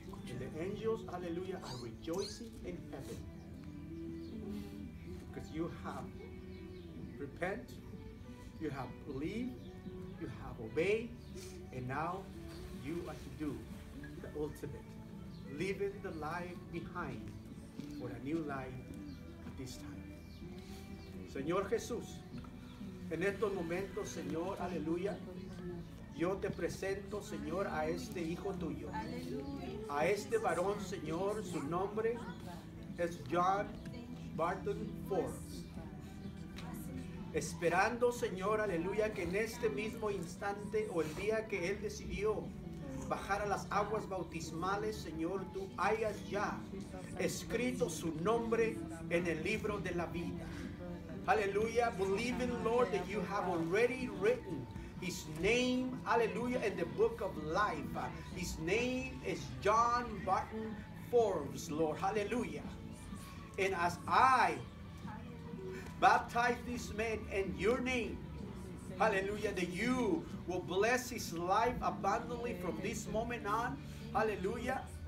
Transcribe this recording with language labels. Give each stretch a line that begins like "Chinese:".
English: And the angels, hallelujah, are rejoicing in heaven because you have repent, you have believed, you have obeyed, and now you are to do the ultimate. Leaving the life behind for a new life at this time.
Spanish: Señor Jesús, En estos momentos, Señor, aleluya, yo te presento, Señor, a este hijo tuyo. A este varón, Señor, su nombre es John Barton Ford. Esperando, Señor, aleluya, que en este mismo instante o el día que él decidió bajar a las aguas bautismales, Señor, tú hayas ya escrito su nombre en el libro de la vida.
English: Aleluya, believing, Lord, that you have already written his name, aleluya, in the book of life. His name is John Barton Forbes, Lord, aleluya. And as I baptize this man in your name, hallelujah, that you will bless his life abundantly from this moment on, hallelujah.